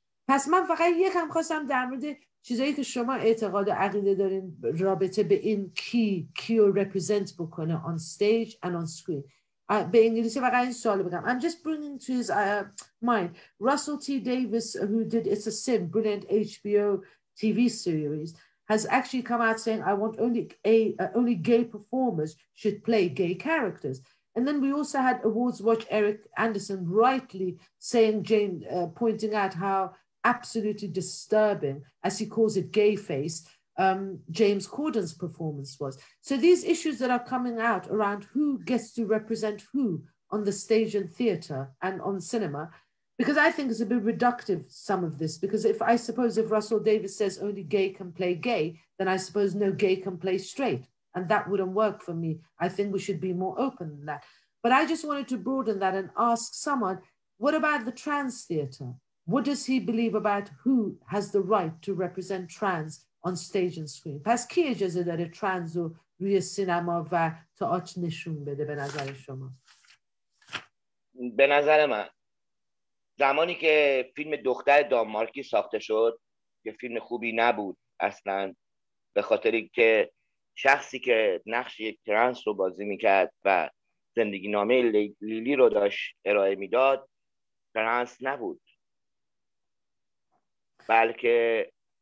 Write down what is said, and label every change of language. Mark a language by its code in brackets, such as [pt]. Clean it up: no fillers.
[fa] پس من فقط یکم خواستم در مورد چیزایی که شما اعتقاد و عقیده دارین رابطه به این کی رو رپرزنت بکنه [en] on stage and on screen. I'm just bringing to his mind Russell T. Davis, who did It's a Sin, brilliant HBO TV series, has actually come out saying, I want only gay performers should play gay characters. And then we also had Awards Watch Eric Anderson rightly saying, Jane, pointing out how absolutely disturbing, as he calls it, gay face, James Corden's performance was. So these issues that are coming out around who gets to represent who on the stage and theater and on cinema, because I think it's a bit reductive, some of this, because if Russell Davis says only gay can play gay, then I suppose no gay can play straight. And that wouldn't work for me. I think we should be more open than that. But I just wanted to broaden that and ask someone, what about the trans theater? What does he believe about who has the right to represent trans on stage and screen? [fa] پس کی اجازه داره ترانس رو روی سینما و تئاتر نشون بده به نظر شما؟ به نظر من زمانی که فیلم دختر دانمارکی ساخته شد که فیلم خوبی نبود اصلا به خاطر اینکه شخصی که نقش یک ترانس رو بازی میکرد و زندگی نامه لیلی رو داشت ارائه میداد ترانس نبود بلکه